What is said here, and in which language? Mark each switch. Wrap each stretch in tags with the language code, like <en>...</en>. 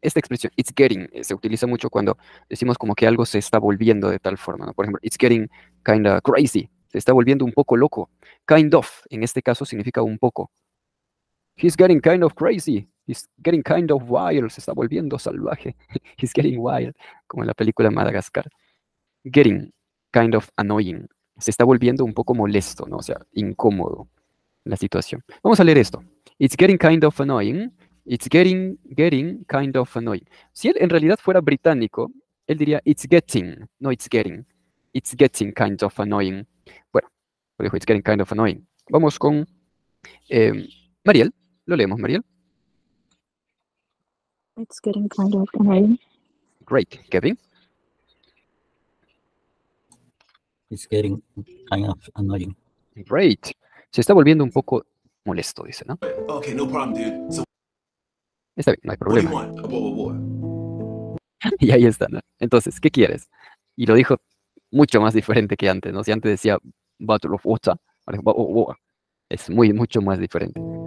<es>Esta expresión, it's getting, se utiliza mucho cuando decimos como que algo se está volviendo de tal forma, ¿no? Por ejemplo,</es> <en>it's getting kind of crazy.</en> <es>Se está volviendo un poco loco. Kind of, en este caso, significa un poco.</es> <en>He's getting kind of crazy. He's getting kind of wild.</en> <es>Se está volviendo salvaje.</es> <en>He's getting wild.</en> <es>Como en la película Madagascar.</es> <en>Getting kind of annoying.</en> <es>Se está volviendo un poco molesto, ¿no? O sea, incómodo la situación. Vamos a leer esto.</es> <en>It's getting kind of annoying. It's getting kind of annoying.</en> <es>Si él en realidad fuera británico, él diría</es> <en>it's getting,</en> <es>no it's getting.</es> <en>It's getting kind of annoying.</en> <es>Bueno, dijo</es> <en>it's getting kind of annoying.</en> <es>Vamos con Mariel. Lo leemos, Mariel.</es> <en>It's getting kind of annoying. Great. Kevin. It's getting kind of annoying. Great.</en> <es>Se está volviendo un poco molesto, dice, ¿no?</es> <en>Okay, no problem, dude. So,</en> <es>está bien, no hay problema.</es> <en>What do you want?</en> <es>Y ahí está, ¿no? Entonces, ¿qué quieres? Y lo dijo mucho más diferente que antes, ¿no? Si antes decía</es> <en>bottle of water,</en> <es>es muy, mucho más diferente.</es>